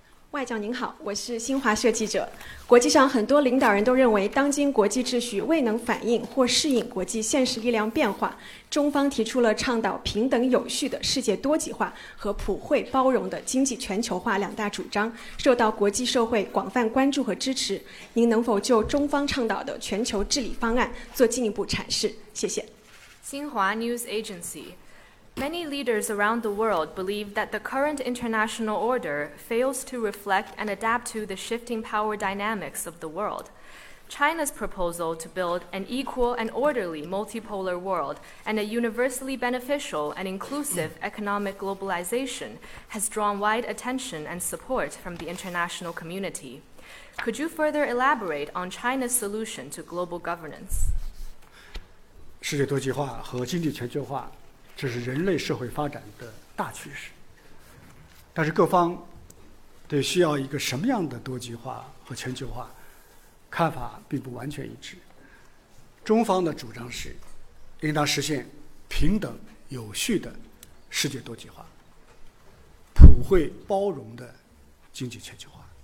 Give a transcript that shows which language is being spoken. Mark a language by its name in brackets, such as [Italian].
[Chinese] 外长您好，我是新华社记者。国际上很多领导人都认为当今国际秩序未能反映或适应国际现实力量变化，中方提出了倡导平等有序的世界多极化和普惠包容的经济全球化两大主张，受到国际社会广泛关注和支持。您能否就中方倡导的全球治理方案做进一步阐释？谢谢。 [English] 新华 News Agency。 Many leaders around the world believe that the current international order fails to reflect and adapt to the shifting power dynamics of the world. China's proposal to build an equal and orderly multipolar world and a universally beneficial and inclusive economic globalization has drawn wide attention and support from the international community. Could you further elaborate on China's solution to global governance? [Chinese] 世界多极化和经济全球化这是人类社会发展的大趋势，但是各方对需要一个什么样的多极化和全球化看法并不完全一致。中方的主张是应当实现平等有序的世界多极化，普惠包容的经济全球化。